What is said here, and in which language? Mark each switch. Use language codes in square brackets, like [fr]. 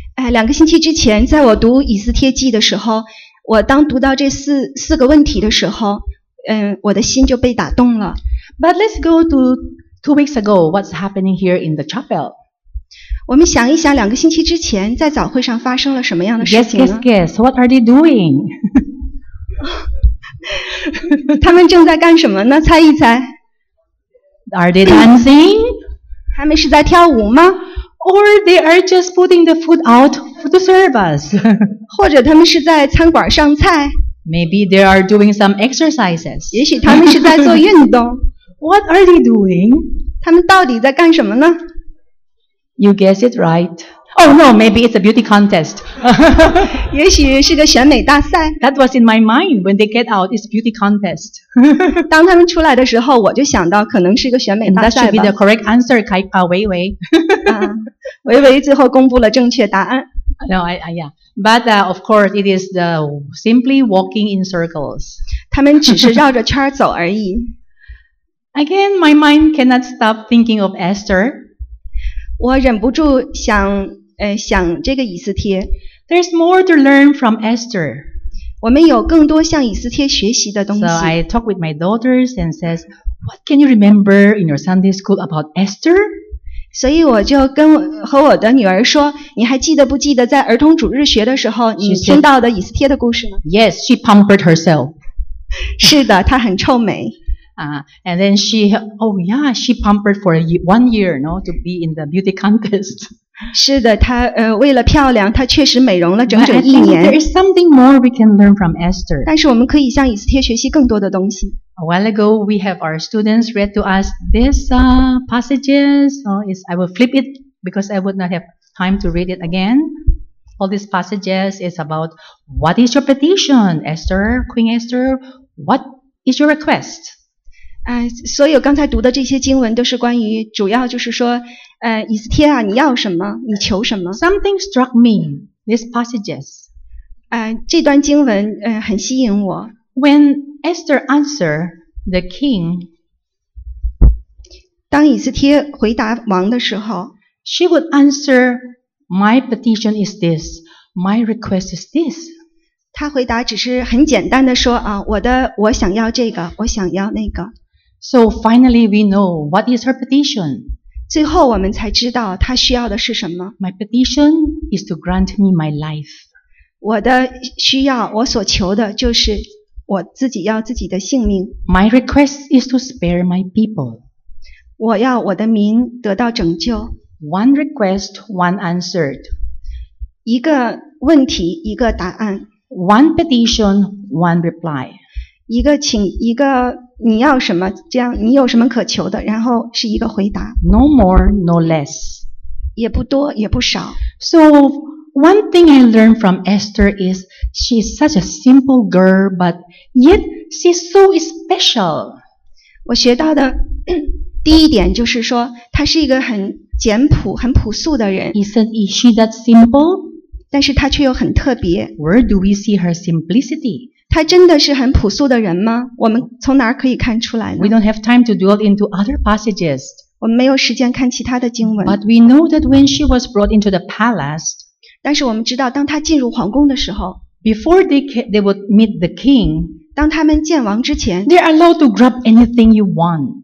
[zh] 两个星期之前，在我读以斯帖记的时候，我当读到这四个问题的时候，我的心就被打动了。 [en] But let's go to 2 weeks ago, what's happening here in the chapel. [zh] 我们想一想两个星期之前在早会上发生了什么样的事情 [en] 呢?Guess, what are they doing? [zh] 他们正在干什么呢?猜一猜。 [en] Are they dancing? [zh] 他们是在跳舞吗? [en] Or they are just putting the food out for the service. [zh] 或者他们是在餐馆上菜。 [en] Maybe they are doing some exercises. [zh] 也许他们是在做运动。 [en] What are they doing? [zh] 他们到底在干什么呢? [en] You guess it right. Oh no, maybe it's a beauty contest. [zh] 也许是个选美大赛。 [en] That was in my mind when they get out, it's beauty contest. [zh] 当他们出来的时候，我就想到可能是个选美大赛吧。 [en] And that should be the correct answer, Kai Pa Wei Wei. [zh] 微微最后公布了正确答案。 [en] No, yeah. But of course, it is the simply walking in circles. [zh] 他们只是绕着圈走而已。 [en] Again, my mind cannot stop thinking of Esther. [zh] 我忍不住想，想这个以斯帖。 [en] There's more to learn from Esther. [zh] 我们有更多向以斯帖学习的东西。 [en] So I talk with my daughters and says, "What can you remember in your Sunday school about Esther?" [zh] 所以我就跟和我的女儿说，你还记得不记得在儿童主日学的时候，你听到的以斯帖的故事呢 [en] ？Yes, she pampered herself. [zh] 是的，她很臭美。 [en] And then she pampered for one year, you know, to be in the beauty contest. [zh] 是的，她为了漂亮，她确实美容了整整一年。 [en] There is something more we can learn from Esther. [zh] 但是我们可以向以斯帖学习更多的东西。 [en] A while ago, we have our students read to us these passages. I will flip it because I would not have time to read it again. All these passages is about what is your petition, Esther, Queen Esther? What is your request? [zh] 所以我刚才读的这些经文都是关于，主要就是说，以斯帖啊，你要什么？你求什么 [en] ？Something struck me. These passages. [zh] 这段经文很吸引我。 [en] When Esther answered the king, [zh] 当以斯帖回答王的时候 [en] ，She would answer, "My petition is this. My request is this." [zh] 她回答只是很简单的说啊，我想要这个，我想要那个。 [en] So finally, we know what is her petition. [zh] 最后我们才知道她需要的是什么。 [en] My petition is to grant me my life. [zh] 我的需要，我所求的就是我自己要自己的性命。 [en] My request is to spare my people. [zh] 我要我的民得到拯救。 [en] One request, one answered. [zh] 一个问题，一个答案。 [en] One petition, one reply. [zh] 一个你要什么？这样你有什么可求的？然后是一个回答。 [en] No more, no less. [zh] 也不多，也不少。 [en] So one thing I learned from Esther is she's such a simple girl, but yet she's so special. [zh] 我学到的第一点就是说，她是一个很简朴、很朴素的人。 [en] Isn't she that simple? [zh] 但是她却又很特别。 [en] Where do we see her simplicity? [zh] 他真的是很朴素的人吗？我们从哪儿可以看出来呢 [en] ？We don't have time to dwell into other passages. [zh] 我们没有时间看其他的经文。 [en] But we know that when she was brought into the palace, [zh] 但是我们知道，当她进入皇宫的时候 [en] ，before they would meet the king, [zh] 当他们见王之前 [en] ，they are allowed to grab anything you want.